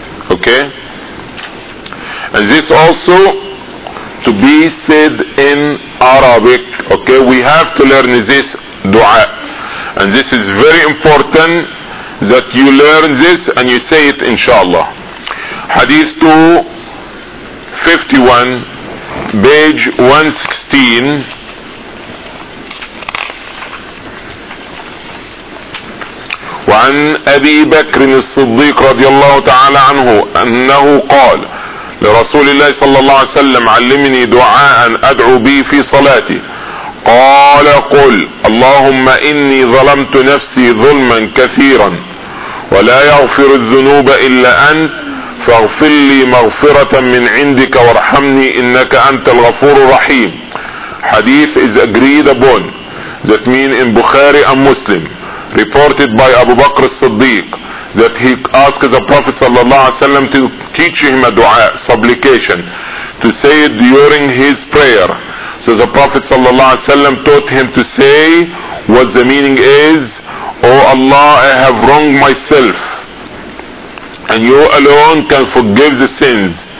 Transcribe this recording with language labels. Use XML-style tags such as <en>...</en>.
<en>Okay? And this also to be said in Arabic. Okay, we have to learn this dua, and this is very important that you learn this and you say it inshallah. Hadith 251, page 116,</en> <ar>وعن أبي بكر الصديق رضي الله تعالى عنه أنه قال لرسول الله صلى الله عليه وسلم, علمني دعاء أدعو به في صلاتي. قال قل اللهم إني ظلمت نفسي ظلما كثيرا ولا يغفر الذنوب إلا أنت, فاغفر لي مغفرة من عندك وارحمني إنك أنت الغفور الرحيم.</ar> <en>حديث is agreed upon, that mean in Bukhari and Muslim, reported by Abu Bakr al-Siddiq, that he asked the Prophet sallallahu alaihi wasallam to teach him a dua, supplication, to say it during his prayer. So the Prophet sallallahu alaihi wasallam taught him to say what the meaning is, O Allah, I have wronged myself, and you alone can forgive the sins.</en>